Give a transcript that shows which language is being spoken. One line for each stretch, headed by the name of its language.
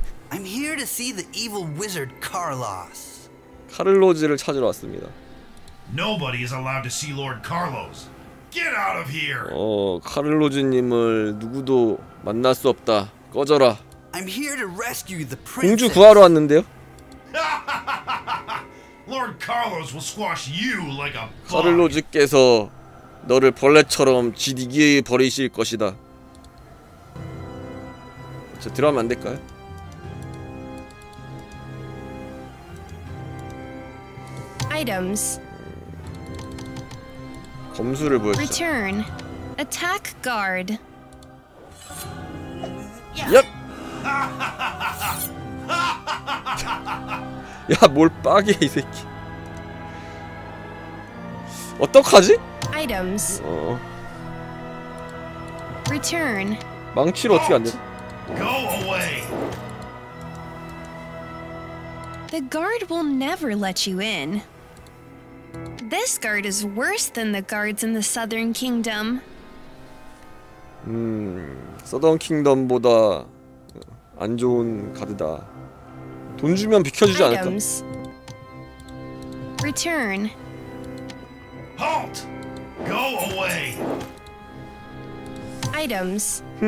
English: I'm here to see the evil wizard Carlos.
Korean: 카를로즈를 찾으러 왔습니다.
English: Nobody is allowed to see Lord Carlos. Get out of here.
Korean: 어, 카를로즈 님을 누구도 만날 수 없다. 꺼져라.
English: I'm here to rescue the prince.
Korean: 공주 구하러 왔는데요.
English: Lord Carlos will squash you like a bug.
Korean: 카를로즈께서 너를 벌레처럼 지디게 버리실 것이다. 저 들어가면 안 될까요?
English: 아이템스.
Korean: 검수를 보여줘.
English: Return. Attack guard.
Korean: Yep. 야, 뭘 빡이야 이 새끼. 어떡하지?
English: Items. 어. Return.
Korean: 망치로 어떻게 안 되지?
English: Go away. The guard will never let you in. This guard is worse than the guards in the Southern Kingdom.
Korean: 서던 킹덤보다 안 좋은 가드다. 돈 주면 비켜주지 않을까?
English: Return. Halt. Go away. Items.